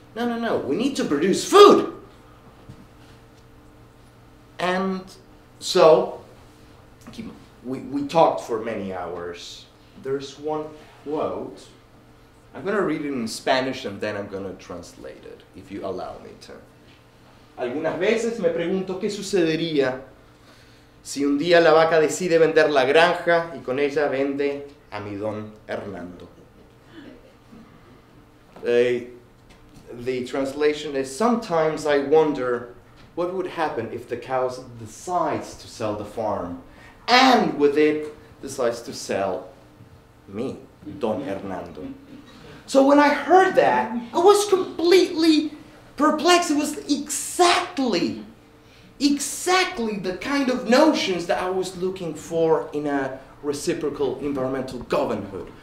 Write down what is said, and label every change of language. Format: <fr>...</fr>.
<en>No, we need to produce food. And so, we talked for many hours. There's one quote. I'm going to read it in Spanish and then I'm going to translate it, if you allow me to.</en> <es>Algunas veces me pregunto qué sucedería si un día la vaca decide vender la granja y con ella vende a mi don Hernando.</es> <en>The translation is, sometimes I wonder what would happen if the cow decides to sell the farm and with it decides to sell me, Don Hernando. So when I heard that, I was completely perplexed. It was exactly the kind of notions that I was looking for in a reciprocal environmental governhood.</en>